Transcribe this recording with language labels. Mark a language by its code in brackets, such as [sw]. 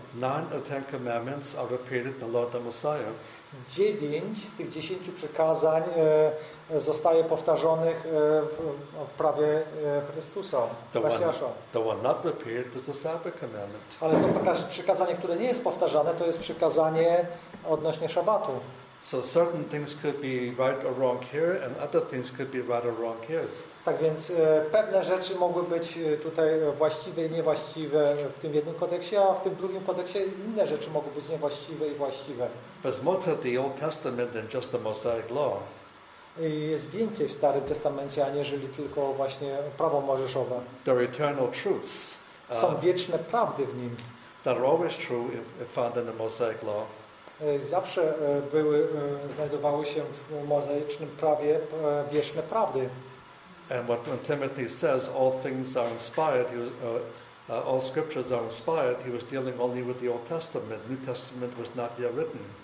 [en] 9 of 10 commandments are repeated the Lord the Messiah. [pl] 9 z tych 10 przykazań zostaje powtarzanych w prawie Chrystusa, Mesjasza. [en] The one not repeated is the Sabbath commandment. [pl] Ale to przykazanie, które nie jest powtarzane, to jest przykazanie odnośnie szabatu. [en] So certain things could be right or wrong here, and other things could be right or wrong here. [pl] Tak więc pewne rzeczy mogły być tutaj właściwe i niewłaściwe w tym jednym kodeksie, a w tym drugim kodeksie inne rzeczy mogły być niewłaściwe i właściwe. [en] There's more to the Old Testament than just the Mosaic law. [pl] Jest więcej w Starym Testamencie, aniżeli tylko właśnie prawo mojżeszowe. [en] There are eternal truths. [pl] Są wieczne prawdy w nim. [en] That are always true found in the Mosaic law. [pl] Zawsze znajdowały się w mozaicznym prawie wieczne prawdy. [en] And what Timothy says, all things are inspired. He was, all scriptures are inspired, he was dealing only with the Old Testament. New Testament was not yet written.